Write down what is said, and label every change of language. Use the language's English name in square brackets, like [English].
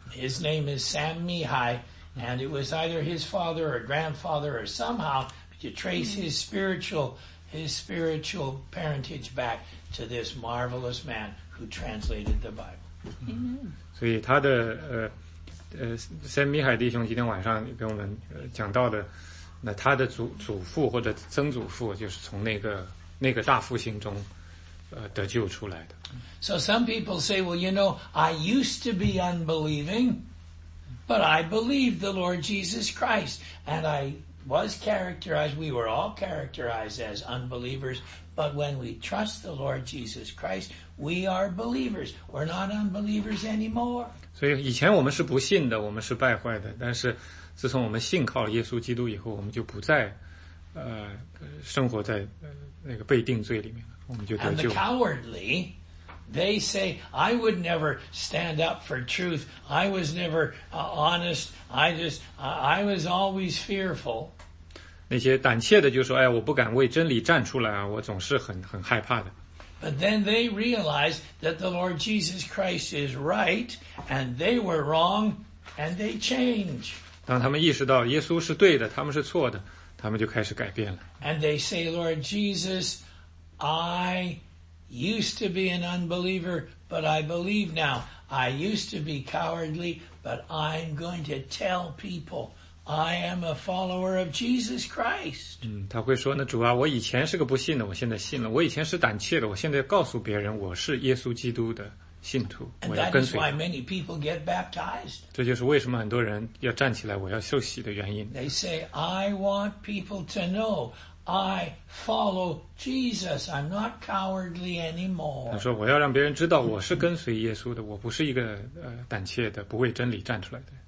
[English] His name is Sam Mihai, and it was either his father or grandfather or somehow to trace his spiritual parentage back to this marvelous man who translated the Bible. Amen. [Chinese] 所以他的Sam Mihai 弟兄今天晚上给我们讲到的，那他的祖父或者曾祖父就是从那个大复兴中得救出来的。 [English] So some people say, well, you know, I used to be unbelieving, but I believed the Lord Jesus Christ, and we were all characterized as unbelievers, but when we trust the Lord Jesus Christ, we are believers. We're not unbelievers anymore. [Chinese] 所以以前我们是不信的，我们是败坏的，但是自从我们信靠了耶稣基督以后，我们就不再生活在那个被定罪里面了，我们就得救。 [English] And the cowardly, they say, I would never stand up for truth. I was never honest. I was always fearful. [Chinese] 那些胆怯的就说，哎，我不敢为真理站出来啊，我总是很害怕的。 [English] But then they realized that the Lord Jesus Christ is right, and they were wrong, and they change. [Chinese] 当他们意识到耶稣是对的，他们是错的，他们就开始改变了。 [English] And they say, Lord Jesus, I used to be an unbeliever, but I believe now. I used to be cowardly, but I'm going to tell people I am a follower of Jesus Christ. [Chinese] 他会说呢，主啊，我以前是个不信的，我现在信了。我以前是胆怯的，我现在告诉别人我是耶稣基督的信徒，我要跟随。 [English] And that is why many people get baptized. [Chinese] 这就是为什么很多人要站起来，我要受洗的原因。 [English] They say, I want people to know I follow Jesus. I'm not cowardly anymore. [Chinese] 他说，我要让别人知道我是跟随耶稣的，我不是一个胆怯的，不为真理站出来的。